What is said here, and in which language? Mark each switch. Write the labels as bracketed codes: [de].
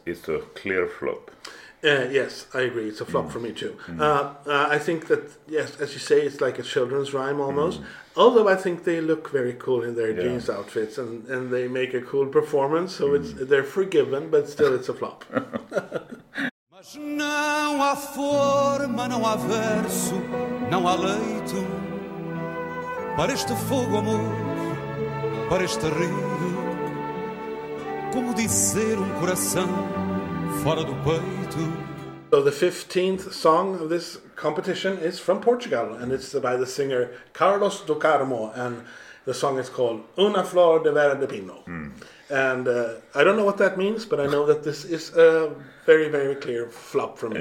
[en] It's a clear flop. Yes, I agree. It's a flop for me too. I think that, yes, as you say, it's like a children's rhyme almost. Although I think they look very cool in their jeans outfits and they make a cool performance, so they're forgiven, but still it's a flop. [pt] Mas não há forma, não há verso, não há leito para este fogo, amor, para este rio. Como dizer coração fora do peito. [en] So the 15th song of this competition is from Portugal, and it's by the singer Carlos do Carmo, and the song is called Una Flor de Vera de Pino. Mm. And I don't know what that means, but I know that this is a very, very clear flop for me.